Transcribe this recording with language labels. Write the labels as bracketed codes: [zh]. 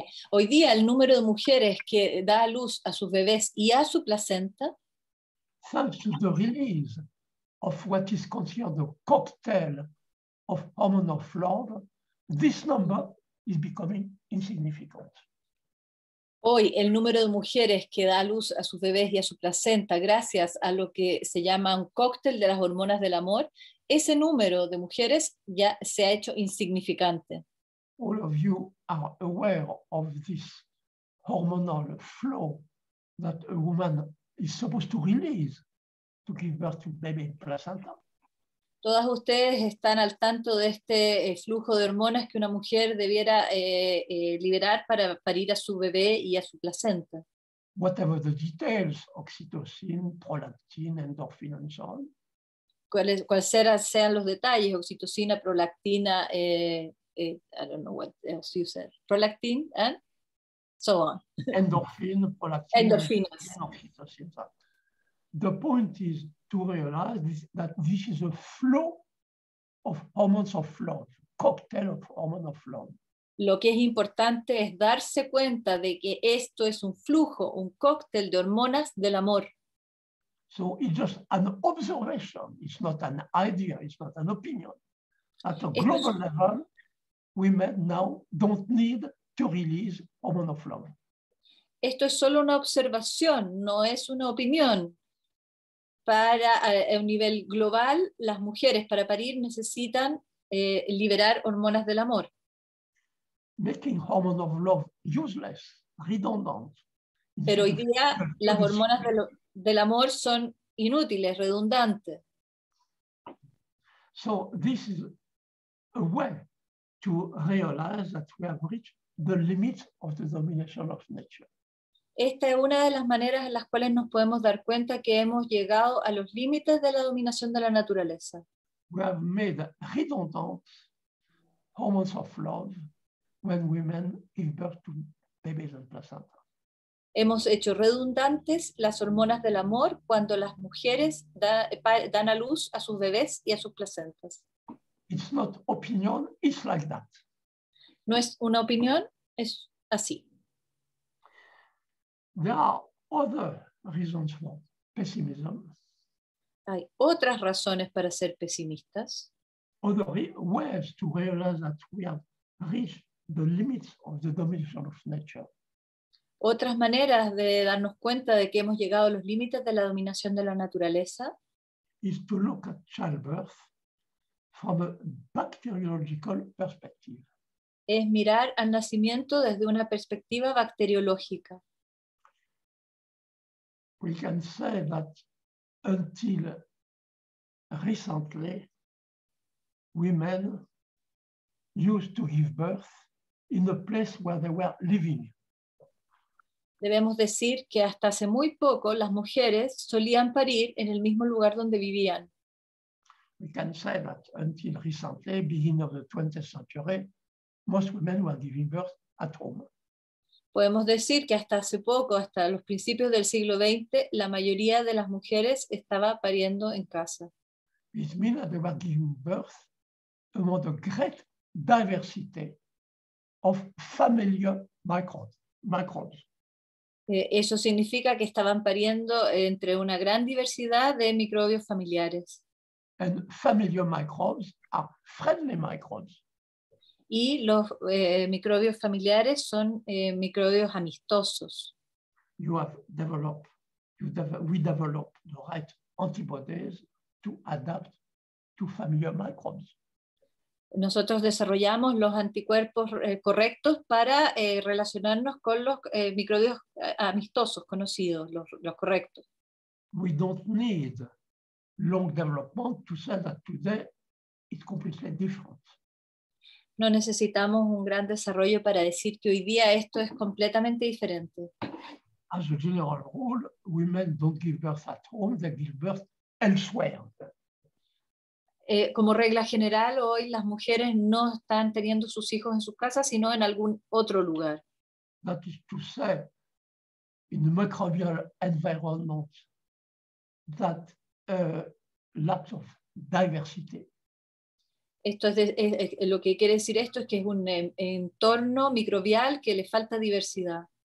[es] Hoy día, el número de mujeres que da a luz a sus bebés y a su placenta. [en] Thanks to the release of what is considered a cocktail of hormone of love, this number is becoming insignificant. [es] Hoy, el número de mujeres que da luz a sus bebés y a su placenta gracias a lo que se llama un cóctel de las hormonas del amor, ese número de mujeres ya se ha hecho insignificante. [en] All of you are aware of this hormonal flow that a woman is supposed to release to give birth to baby and placenta. [es] Todas ustedes están al tanto de este flujo de hormonas que una mujer debiera liberar para parir a su bebé y a su placenta. [en] Whatever the details, oxytocin, prolactin, endorphin, and so on. [es] cuáles sean los detalles, oxitocina, prolactina, [en] I don't know what else you said, prolactin, and so on. Endorphins, prolactin. Endorphins. [es] Oxytocina. [en] The point is to realize this, that this is a flow of hormones of love, cocktail of hormones of love. [es] Lo que es importante es darse cuenta de que esto es un flujo, un cóctel de hormonas del amor. [en] So it's just an observation. It's not an idea. It's not an opinion. At a global level, women now don't need to release hormones of love. [es] Esto es solo una observación, no es una opinión. Para un nivel global, las mujeres para parir necesitan liberar hormonas del amor. [en] Making hormones of love useless, redundant. [es] Pero hoy día las hormonas del amor son inútiles, redundantes. [en] So this is a way to realize that we have reached the limits of the domination of nature. [es] Esta es una de las maneras en las cuales nos podemos dar cuenta que hemos llegado a los límites de la dominación de la naturaleza. [en] We have made redundant hormones of love. When women give birth to babies and placenta. [es] Hemos hecho redundantes las hormonas del amor cuando las mujeres dan a luz a sus bebés y a sus placentas. [en] It's not opinion, it's like that. [es] No es una opinión, es así. [en] There are other reasons for pessimism. [es] Hay otras razones para ser pesimistas. [en] Other ways to realize that we have reached the limits of the domination of nature. [es] Otras maneras de darnos cuenta de que hemos llegado a los límites de la dominación de la naturaleza [en] is to look at childbirth from a bacteriological perspective. [es] Es mirar al nacimiento desde una perspectiva bacteriológica. [en] We can say that until recently, women used to give birth in the place where they were living. [es] Debemos decir que hasta hace muy poco las mujeres solían parir en el mismo lugar donde vivían. [en] We can say that until recently, beginning of the 20th century, most women were giving birth at home. [es] Podemos decir que hasta hace poco, hasta los principios del siglo XX, la mayoría de las mujeres estaba pariendo en casa. [en] It means that they were giving birth among a great diversity of familiar microbes. [es] Eso significa que estaban pariendo entre una gran diversidad de microbios familiares. [en] And familiar microbes are friendly microbes. [es] Y los microbios familiares son microbios amistosos. [en] We develop the right antibodies to adapt to familiar microbes. [es] Nosotros desarrollamos los anticuerpos correctos para relacionarnos con los microbios amistosos, conocidos, los correctos. [en] We don't need long development to say that today it's completely different. [es] No necesitamos un gran desarrollo para decir que hoy día esto es completamente diferente. [en] As a general rule, women don't give birth at home, they give birth elsewhere. [es] Como regla general, hoy las mujeres no están teniendo sus hijos en sus casas, sino en algún otro lugar. [en] That is to say, in a microbial environment, that lack of diversity. [es] Lo que quiere decir esto es que es un entorno microbial que le falta diversidad.